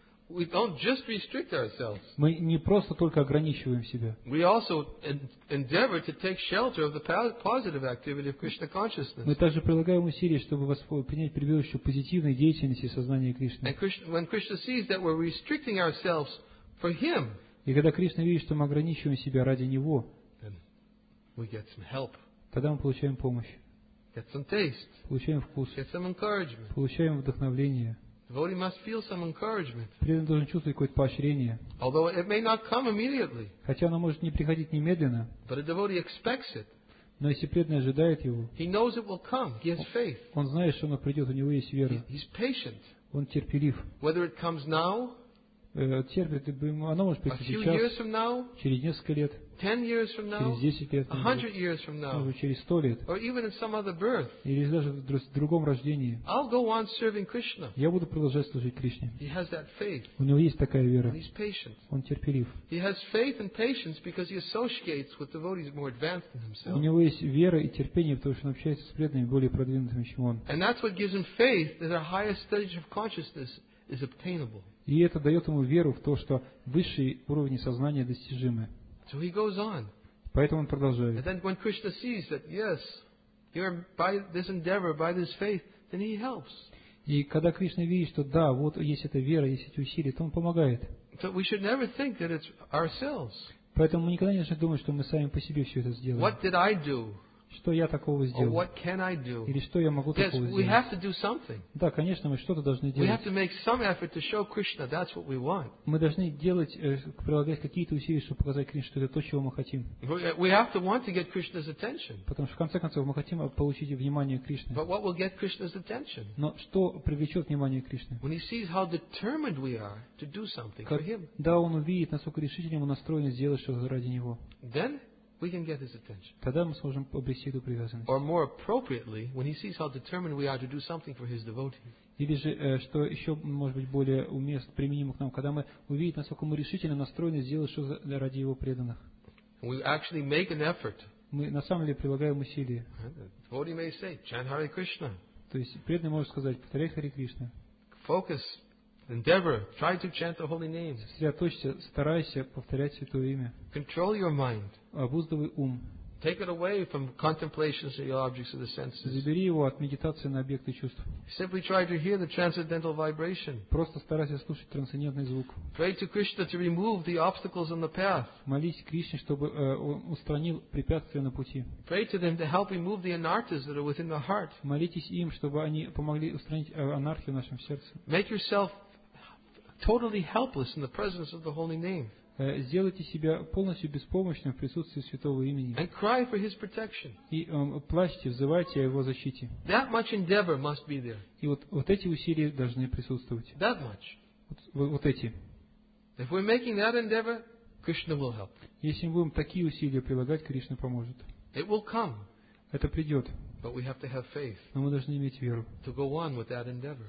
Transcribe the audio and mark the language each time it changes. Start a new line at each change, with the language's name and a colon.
English: We don't just restrict ourselves.
Russian: Мы не просто только ограничиваем себя.
English: We also endeavor to take shelter of the positive activity of Krishna consciousness.
Russian: Мы также прилагаем усилия, чтобы принять прибежище позитивной деятельности сознания Кришны.
English: And when Krishna sees that we're restricting ourselves for Him,
Russian: и когда Кришна видит, что мы ограничиваем себя ради Него,
English: then we get some help.
Russian: Тогда мы получаем помощь.
English: Get some taste.
Russian: Получаем вкус.
English: Get some encouragement.
Russian: Получаем вдохновение.
English: Devotee must feel some encouragement.
Russian: Преданный должен чувствовать какое-то поощрение.
English: Although it may not come immediately.
Russian: Хотя оно может не приходить немедленно.
English: But a devotee expects it.
Russian: Но если преданный ожидает его.
English: He knows it will come. He has faith.
Russian: Он знает, что оно придет. У него есть вера.
English: He's patient.
Russian: Он терпелив.
English: Whether it comes now.
Russian: Терпит. Оно может прийти сейчас.
English: A few years from now.
Russian: Через несколько лет.
English: 10 years from now.
Russian: Через 10 лет.
English: 100 years from now.
Russian: Может, через 100 лет.
English: Or even in some other birth.
Russian: Или даже в другом рождении.
English: I'll go on serving Krishna.
Russian: Я буду продолжать служить Кришне.
English: He has that faith.
Russian: У него есть такая вера.
English: And he's patient.
Russian: Он терпелив.
English: He has faith and patience because he associates with devotees more advanced than himself.
Russian: У него есть вера и терпение, потому что он общается с преданными более продвинутыми, чем он.
English: And that's what gives him faith that a higher stage of consciousness is obtainable.
Russian: И это дает ему веру в то, что высшие уровни сознания достижимы.
English: So he goes on.
Russian: Поэтому он продолжает.
English: And then when Krishna sees that, yes, you're by this endeavor, by this faith, then he helps.
Russian: И когда Кришна видит, что да, вот есть эта вера, есть эти усилия, то он помогает.
English: So we should never think that it's ourselves.
Russian: Поэтому мы никогда не должны думать, что мы сами по себе все это сделаем.
English: What did I do?
Russian: Что я такого сделал?
English: Or what can I do?
Russian: Или что я могу такого сделать?
English: We have to do something.
Russian: Да, конечно, мы что-то должны делать.
English: We have to make some effort to show Krishna that's what we want.
Russian: Мы должны делать, прилагать какие-то усилия, чтобы показать Кришне, что это то, чего мы хотим.
English: We have to want to get Krishna's attention.
Russian: Потому что в конце концов мы хотим получить внимание Кришны.
English: But what will get Krishna's attention?
Russian: Но что привлечет внимание Кришны?
English: When he sees how determined we are to do something for him.
Russian: Когда он увидит, насколько решительно мы настроены сделать что-то ради него.
English: Then we can get his attention.
Russian: Тогда мы сможем обрести эту привязанность.
English: Or more appropriately, when he sees how determined we are to do something for his devotee.
Russian: Или же, что еще может быть более уместно, применимо к нам, когда мы увидим, насколько мы решительно настроены сделать что-то ради его преданных.
English: We actually make an effort.
Russian: Мы на самом деле прилагаем усилия.
English: Devotee may say, Chant Hare Krishna.
Russian: То есть преданный может сказать, повторяй Хари Кришна.
English: Focus, endeavor, try to chant the holy name.
Russian: Сосредоточься, старайся повторять святое имя.
English: Control your mind.
Russian: Обуздывай ум.
English: Take it away from contemplations of the objects of the senses.
Russian: Забери его от медитации на объекты чувств.
English: Simply try to hear the transcendental vibration.
Russian: Просто старайся слушать трансцендентный звук.
English: Pray to Krishna to remove the obstacles on the path.
Russian: Молись Кришне, чтобы он устранил препятствия на пути.
English: Pray to them to help remove the anarthas that are within the heart.
Russian: Молитесь им, чтобы они помогли устранить анархию в нашем сердце.
English: Make yourself totally helpless in the presence of the holy name.
Russian: Сделайте себя полностью беспомощным в присутствии святого имени.
English: And cry for his protection.
Russian: И плачьте, взывайте о его защите.
English: That much endeavor must be there.
Russian: И вот эти усилия должны присутствовать.
English: That much.
Russian: Вот эти.
English: If we're making that endeavor, Krishna will help.
Russian: Если мы будем такие усилия прилагать, Кришна поможет.
English: It will come.
Russian: Это придет.
English: But we have to have faith.
Russian: Но мы должны иметь веру.
English: To go on with that endeavor.